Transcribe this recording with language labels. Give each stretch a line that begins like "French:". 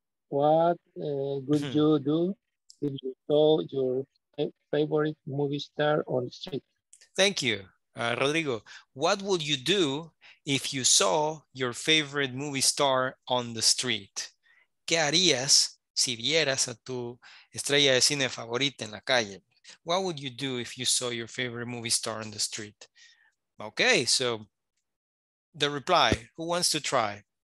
English: What would you do if you saw your favorite movie star on the street? Thank you, Rodrigo. What would you do if you saw your favorite movie star on the street?
Spanish: ¿Qué harías si vieras a tu estrella de cine favorita en la calle?
English: What would you do if you saw your favorite movie star on the street? Okay, so the reply, who wants to try?